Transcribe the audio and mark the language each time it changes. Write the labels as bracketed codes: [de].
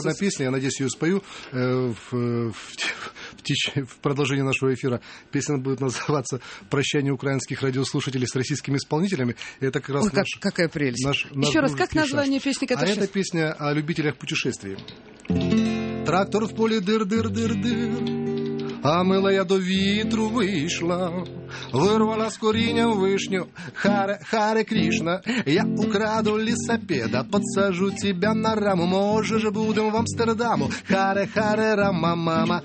[ru] У меня есть одна песня, я надеюсь, ее спою в продолжении нашего эфира. Песня будет называться «Прощание украинских радиослушателей с российскими исполнителями». Это как раз какая прелесть. Еще раз, как название песни, которая сейчас? А это песня о любителях путешествий. Трактор в поле дыр-дыр-дыр-дыр. [uk] А мила я до вітру вийшла, вирвала з корінням вишню, Харе Крішна. Я украду лісопеда, [ru] подсажу тебя на раму, [uk] може ж будемо в Амстердаму, Харе, Харе, Рама, Мама.